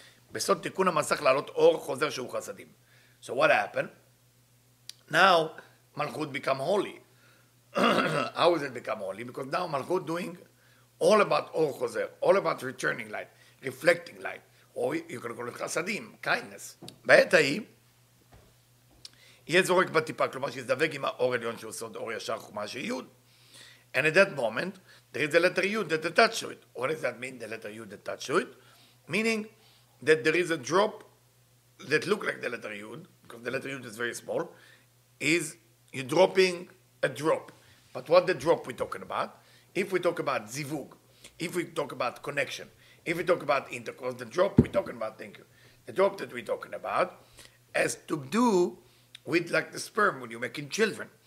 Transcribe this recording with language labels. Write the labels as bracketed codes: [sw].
[he] Besod tikkun ha-masach la'alot or chozer shehu chasadim. [en] So what happened? Now Malchut become holy. How is it become holy? Because now Malchut doing all about or chozer, all about returning light, reflecting light. Or you can call it chasadim, kindness. [he] Ba'et ha'im, יהיה זורק בטיפה, כלומר שיזדווג עם האור עליון שהוא סוד אור ישר חומש יוד. [en] And at that moment, there is a letter U that attached to it. What does that mean, the letter U that attached to it? Meaning that there is a drop that looks like the letter U, because the letter U is very small, is you're dropping a drop. But what the drop we're talking about? If we talk about zivug, if we talk about connection, if we talk about intercourse, the drop we're talking about, thank you, the drop that we're talking about has to do with like the sperm when you're making children.